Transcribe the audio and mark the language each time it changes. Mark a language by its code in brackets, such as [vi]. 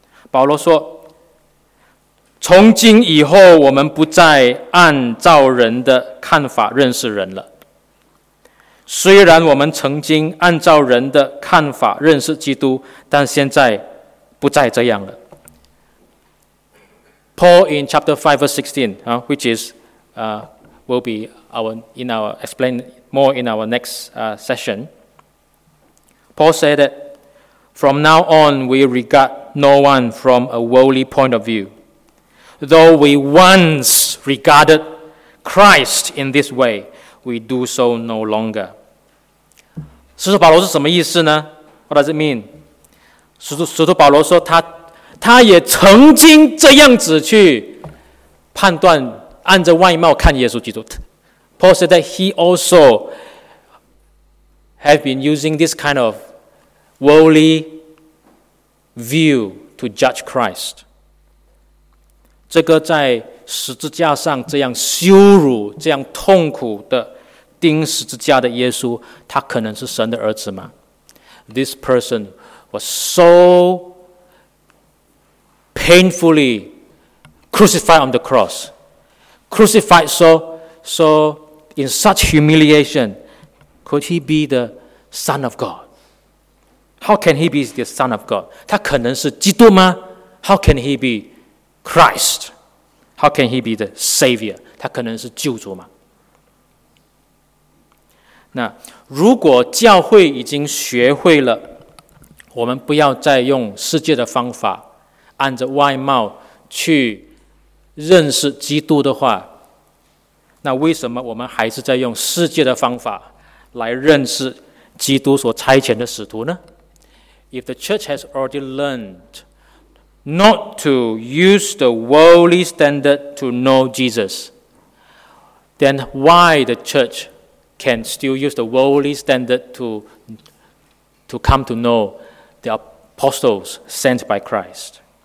[zh] 保罗说，从今以后我们不再按照人的看法认识人了。虽然我们曾经按照人的看法认识基督，但现在不再这样了。 [en] Paul in chapter 5 verse 16, which is, will be our, in our, explain more in our next session, Paul said that from now on we regard no one from a worldly point of view. Though we once regarded Christ in this way, we do so no longer. [zh] 使徒保罗是什么意思呢 ？ [en] What does it mean? [zh] 使徒保罗说他也曾经这样子去判断，按着外貌看耶稣基督。 [en] Paul said that he also have been using this kind of worldly view to judge Christ. [zh] 这个在十字架上这样羞辱、这样痛苦的钉十字架的耶稣，他可能是神的儿子吗？ [en] This person was so painfully crucified on the cross. Crucified so in such humiliation, could he be the Son of God? How can he be the Son of God? [zh] 他可能是基督吗？ [en] How can he be Christ? How can he be the Savior? [zh] 他可能是救主吗？那如果教会已经学会了，我们不要再用世界的方法，按着外貌去认识基督的话，那为什么我们还是在用世界的方法来认识基督所差遣的使徒呢？ [en] If the church has already learned not to use the worldly standard to know Jesus, then why the church can still use the worldly standard to come to know the apostles sent by Christ?